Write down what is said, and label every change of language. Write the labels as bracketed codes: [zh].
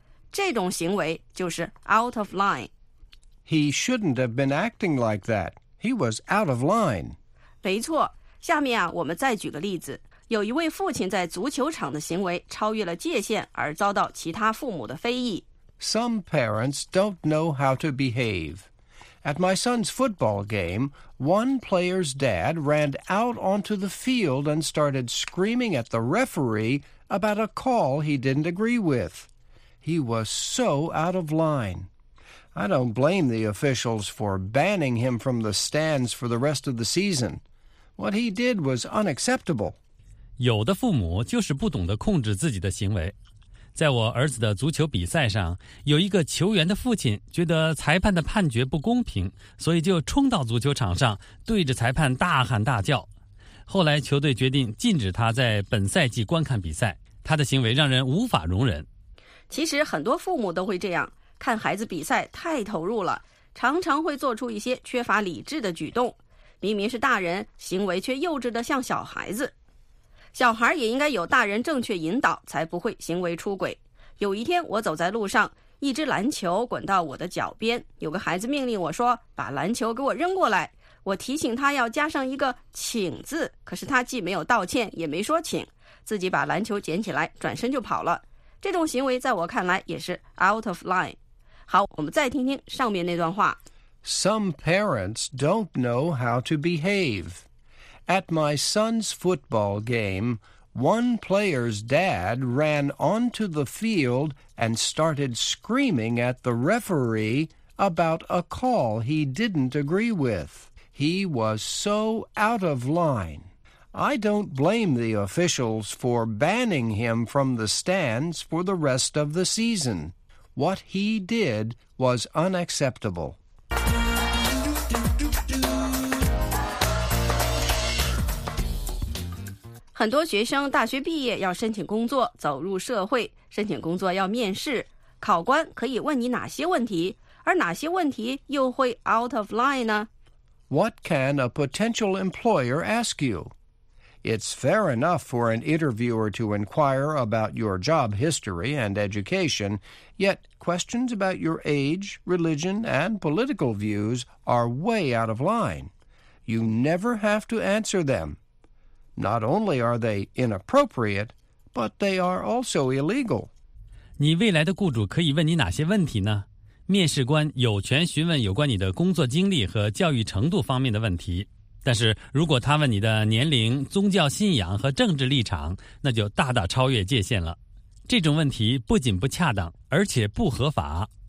[zh] 这种行为就是 [en] out of line. He shouldn't have been acting like that. He was out of line. [zh] 没错，下面啊，我们再举个例子。有一位父亲在足球场的行为超越了界限，而遭到其他父母的非议。 [en] Some parents don't know how to behave. At my son's football game, one player's dad ran out onto the field and started screaming at the referee about a call he didn't agree with. He was so out of line. I don't blame the officials for banning him from the stands for the rest of the season. What he did was unacceptable. [zh] 有的父母就是不懂得控制自己的行为。在我儿子的足球比赛上，有一个球员的父亲觉得裁判的判决不公平，所以就冲到足球场上，对着裁判大喊大叫。后来球队决定禁止他在本赛季观看比赛，他的行为让人无法容忍。其实很多父母都会这样，看孩子比赛太投入了，常常会做出一些缺乏理智的举动。明明是大人，行为却幼稚的像小孩子。小孩也应该有大人正确引导，才不会行为出轨。有一天我走在路上，一只篮球滚到我的脚边，有个孩子命令我说，把篮球给我扔过来。我提醒他要加上一个请字，可是他既没有道歉也没说请，自己把篮球捡起来转身就跑了。这种行为在我看来也是 [en] out of line。 [zh] 好，我们再听听上面那段话。 [en] Some parents don't know how to behave. At my son's football game, one player's dad ran onto the field and started screaming at the referee about a call he didn't agree with. He was so out of line. I don't blame the officials for banning him from the stands for the rest of the season. What he did was unacceptable. [zh] 很多学生大学毕业要申请工作，走入社会，申请工作要面试，考官可以问你哪些问题，而哪些问题又会 [en] out of line [zh] 呢？ [en] What can a potential employer ask you? It's fair enough for an interviewer to inquire about your job history and education, yet questions about your age, religion, and political views are way out of line. You never have to answer them. Not only are they inappropriate, but they are also illegal. [zh] 你未来的雇主可以问你哪些问题呢？面试官有权询问有关你的工作经历和教育程度方面的问题，但是如果他问你的年龄、宗教信仰和政治立场，那就大大超越界限了。这种问题不仅不恰当，而且不合法。